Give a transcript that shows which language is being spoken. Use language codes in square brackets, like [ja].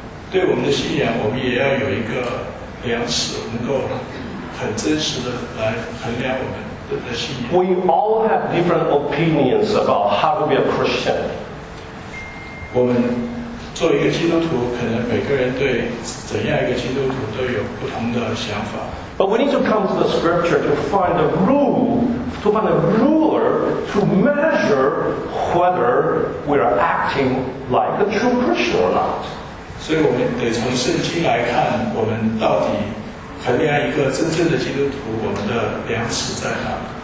[zh] 对我们的信仰，我们也要有一个量尺，能够很真实的来衡量我们的信仰。 [en] We all have different opinions about how to be a Christian. [zh] 我们作为一个基督徒，可能每个人对怎样一个基督徒都有不同的想法。 [en] But we need to come to the scripture to find a rule, to find a ruler to measure whether we are acting like a true Christian or not. [zh] 所以我们得从圣经来看，我们到底衡量一个真正的基督徒，我们的量尺在哪？